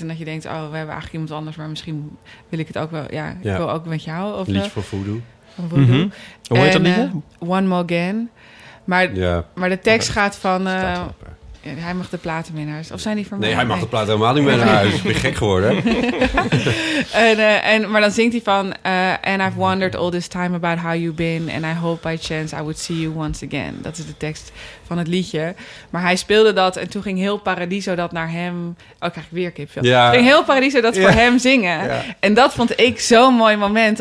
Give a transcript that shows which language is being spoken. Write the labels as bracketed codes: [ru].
[nl] En dat je denkt, oh, we hebben eigenlijk iemand anders. Maar misschien wil ik het ook wel. Ja, ja. Ik wil ook met jou. Of liedje voor Voodoo. Mm-hmm. Hoe heet dat liedje? One More Gan. Maar de tekst gaat van... Ja, hij mag de platen mee naar huis. Of zijn die voor mij? Nee, hij mag de platen helemaal niet mee naar huis. Ik ben gek geworden. maar dan zingt hij van... [en] And I've wondered all this time about how you've been. And I hope by chance I would see you once again. [nl] Dat is de tekst van het liedje. Maar hij speelde dat en toen ging heel Paradiso dat naar hem... Oh, krijg ik weer kipvel. Ja. Ging heel Paradiso dat voor hem zingen. Ja. En dat vond ik zo'n mooi moment.